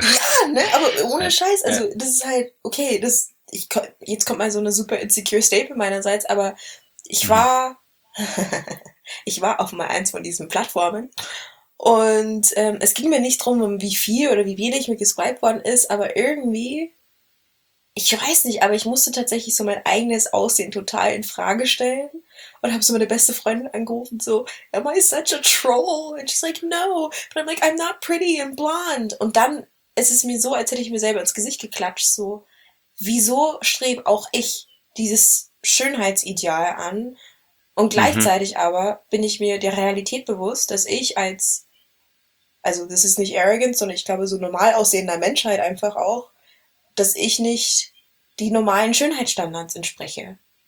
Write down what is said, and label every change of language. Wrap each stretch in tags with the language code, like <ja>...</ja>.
<de>Ja, ne, aber ohne Scheiß, also das ist halt, okay, jetzt kommt mal so eine super insecure Staple meinerseits, aber ich war auf mal eins von diesen Plattformen. Und es ging mir nicht darum, wie viel oder wie wenig mir geswiped worden ist, aber irgendwie, ich weiß nicht, aber ich musste tatsächlich so mein eigenes Aussehen total in Frage stellen und habe so meine beste Freundin angerufen, so,</de> <en>am I such a troll? And she's like, no, but I'm like, I'm not pretty and blonde.</en> <de>Und dann ist es mir so, als hätte ich mir selber ins Gesicht geklatscht, so, wieso strebe auch ich dieses Schönheitsideal an? Und gleichzeitig aber bin ich mir der Realität bewusst, dass ich als, also das ist nicht arrogant, sondern ich glaube so normal aussehender Menschheit einfach auch, dass ich nicht die normalen Schönheitsstandards entspreche.</de>